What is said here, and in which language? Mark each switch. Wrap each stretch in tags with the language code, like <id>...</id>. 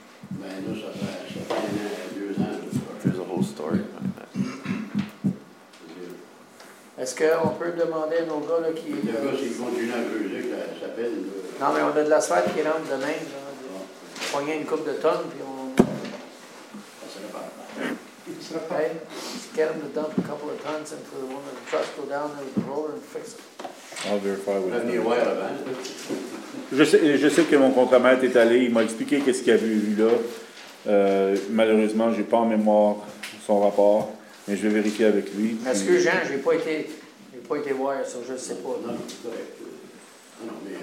<fr>Ben là, ça fait un an, deux ans, je crois.</fr> <en>There's a whole story.</en> <fr>Est-ce qu'on peut demander à nos gars, là, qui... Le gars, s'ils continuent à creuser, ça s'appelle... Non, mais on a de l'asphalte qui rentre de même, là. Ouais. On gagne une couple de tonnes, puis on...</fr> <en>Hey, get him to dump a couple of tons into the one of the trucks, go down there with the roller and fix it. I'll verify with him.</en> <fr>Je sais que mon contremaître est allé, il m'a expliqué qu'est-ce qu'il y avait eu là. Malheureusement, j'ai pas en mémoire son rapport, mais je vais vérifier avec lui. Est-ce que Jean, j'ai pas été voir ça, je sais pas. Non,</fr>